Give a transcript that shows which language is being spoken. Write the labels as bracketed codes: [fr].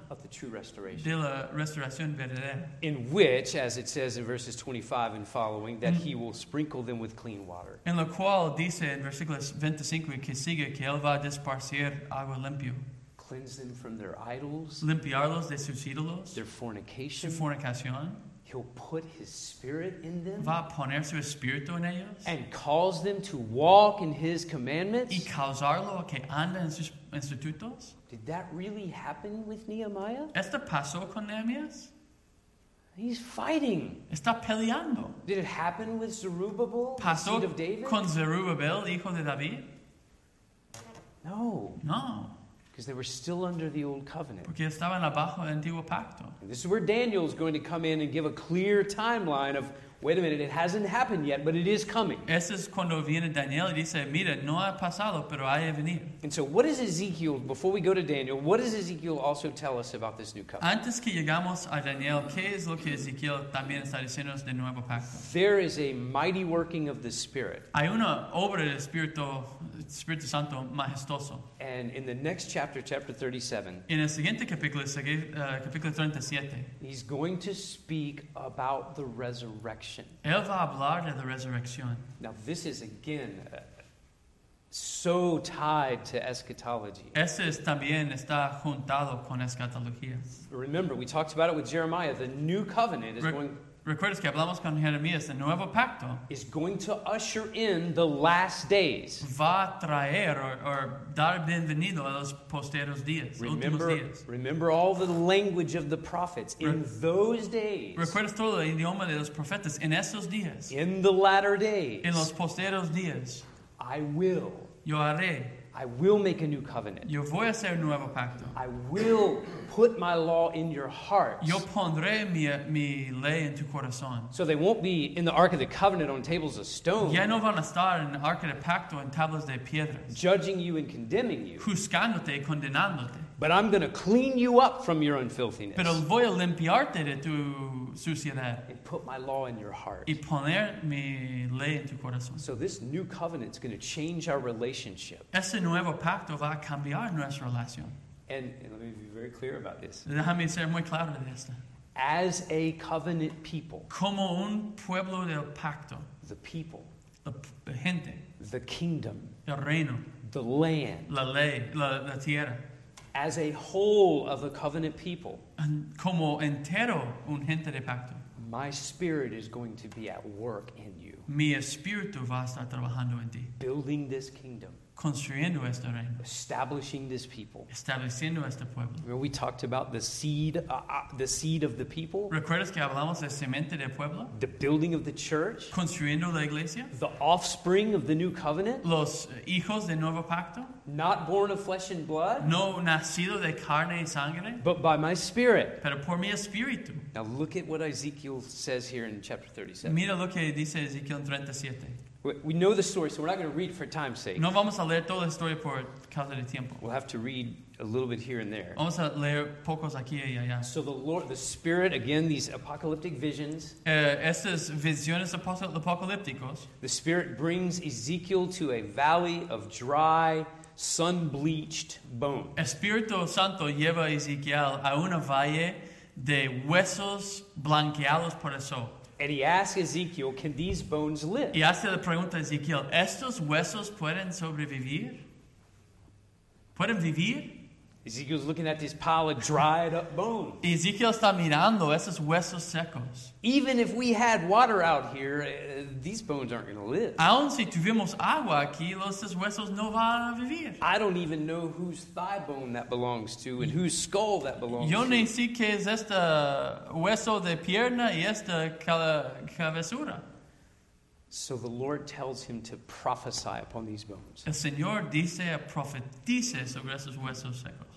[en] Of the true restoration. [es] De la restauración verdadera. [en] In which, as it says in verses 25 and following, that he will sprinkle them with clean water. [es] En lo cual dice en versículos 25 que sigue que él va a desparcir agua limpia. [en] Cleanse them from their idols. [es] Limpiarlos de sus ídolos. [en] Their fornication. [es] Su fornicación. [en] He'll put his spirit in them. [es] Va a poner su espíritu en ellos. [en] And cause them to walk in his commandments. [es] Y causarlo a que anden en sus institutos. [en] Did that really happen with Nehemiah? [es] ¿Esto pasó con Nehemías? [en] He's fighting. [es] Está peleando. [en] Did it happen with Zerubbabel, [es] ¿Pasó [en] the seed of David? [es] Con Zerubbabel, hijo de David? [en] No. [es] No. [en] Because they were still under the old covenant. [es] Porque estaban abajo del antiguo pacto. [en] And this is where Daniel is going to come in and give a clear timeline of, wait a minute, it hasn't happened yet, but it is coming. [es] Ese es cuando viene Daniel y dice, mira, no ha pasado, pero ha de venir. [en] And so what does Ezekiel, before we go to Daniel, what does Ezekiel also tell us about this new covenant? [es] Antes que llegamos a Daniel, ¿qué es lo que Ezekiel también está diciéndonos del nuevo pacto? [en] There is a mighty working of the Spirit. [es] Hay una obra del Espíritu Santo majestuoso. [en] And in the next chapter, chapter 37, [es] en el siguiente capítulo, capítulo 37, [en] he's going to speak about the resurrection. [es] Él va a hablar de la resurrección. [en] Now, this is again so tied to eschatology. [es] Ese es, también está juntado con escatología. [en] Remember, we talked about it with Jeremiah. The new covenant is going... [es] Recuerdas que hablamos con Jeremías, el nuevo pacto [en] is going to usher in the last days. [es] Va a traer or dar bienvenido a los posteros días, [en] remember, [es] últimos días. [en] Remember all the language of the prophets in those days. [es] Recuerdas todo el idioma de los profetas en esos días. [en] In the latter days. [es] En los posteros días. [en] I will. [es] Yo haré. [en] I will make a new covenant. [es] Yo voy a hacer un nuevo pacto. [en] I will put my law in your heart. [es] Yo pondré mi ley en tu corazón. [en] So they won't be in the Ark of the Covenant on tables of stone. [es] Ya no van a estar en el Ark del Pacto en tablas de piedras. [en] Judging you and condemning you. [es] Juzgándote y condenándote. [en] But I'm going to clean you up from your unfilthiness. [es] Pero voy a limpiarte de tu suciedad. [en] And put my law in your heart. [es] Y poner mi ley en tu corazón. [en] So this new covenant is going to change our relationship. [es] Ese nuevo pacto va a cambiar nuestra relación. [en] And let me be very clear about this. [es] Déjame ser muy claro de esto. [en] As a covenant people. [es] Como un pueblo del pacto. [en] The people. [es] La gente. [en] The kingdom. [es] El reino. [en] The land. [es] La ley. La tierra. [en] As a whole of a covenant people. [es] Como entero un gente de pacto. [en] My spirit is going to be at work in you. [es] Mi espíritu va a estar trabajando en ti. [en] Building this kingdom. [es] Construyendo este reino. [en] Establishing this people. [es] Estableciendo este pueblo. [en] Remember we talked about the seed of the people. [es] ¿Recuerdas que hablamos de semente del pueblo? [en] The building of the church. [es] Construyendo la iglesia. [en] The offspring of the new covenant. [es] Los hijos del nuevo pacto. [en] Not born of flesh and blood. [es] No nacido de carne y sangre. [en] But by my spirit. [es] Pero por mi espíritu. [en] Now look at what Ezekiel says here in chapter 37. [es] Mira lo que dice Ezekiel 37. [en] We know the story, so we're not going to read for time's sake. [es] No vamos a leer toda la historia por causa de tiempo. [en] We'll have to read a little bit here and there. [es] Vamos a leer pocos aquí y allá. [en] So the Lord, the Spirit, again, these apocalyptic visions. [es] Estas visiones apocalípticos. [en] The Spirit brings Ezekiel to a valley of dry, sun-bleached bones. [es] Espíritu Santo lleva a Ezekiel a una valle de huesos blanqueados por el sol. [en] And he asks Ezekiel, can these bones live? [es] Y hace la pregunta a Ezekiel, ¿estos huesos pueden sobrevivir? ¿Pueden vivir? [en] Ezekiel's looking at this pile of dried up bones. [es] Ezekiel está mirando esos huesos secos. [en] Even if we had water out here, these bones aren't going to live. [es] Aun si tuvimos agua aquí, los huesos no van a vivir. [en] I don't even know whose thigh bone that belongs to and whose skull that belongs to. [es] Yo ni sé qué es este hueso de pierna y esta cabezura. [en] So the Lord tells him to prophesy upon these bones. [es] El Señor dice a profetice sobre esos huesos secos.